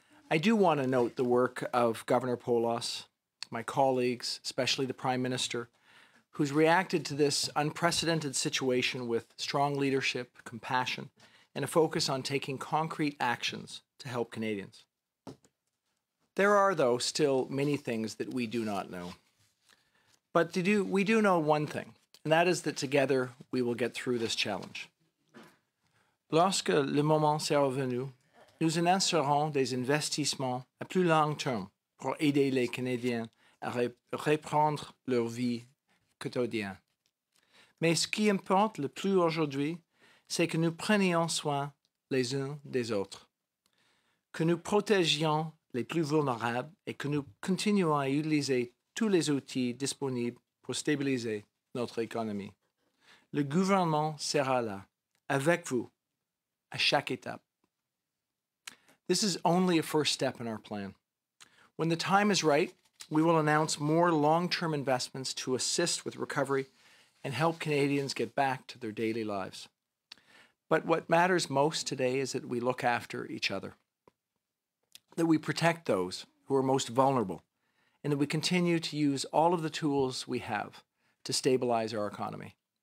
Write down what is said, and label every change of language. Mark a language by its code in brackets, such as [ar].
[en] I do want to note the work of Governor Poloz, my colleagues, especially the Prime Minister, who's reacted to this unprecedented situation with strong leadership, compassion, and a focus on taking concrete actions to help Canadians. There are, though, still many things that we do not know. But we do know one thing, and that is that together we will get through this challenge. [fr] Lorsque le moment sera venu, nous annoncerons des investissements à plus long terme pour aider les Canadiens à reprendre leur vie quotidienne. Mais ce qui importe le plus aujourd'hui, c'est que nous prenions soin les uns des autres, que nous protégions les plus vulnérables et que nous continuons à utiliser tous les outils disponibles pour stabiliser notre économie. Le gouvernement sera là, avec vous, à chaque étape. [en] This is only a first step in our plan. When the time is right, we will announce more long-term investments to assist with recovery and help Canadians get back to their daily lives. But what matters most today is that we look after each other, that we protect those who are most vulnerable, and that we continue to use all of the tools we have to stabilize our economy.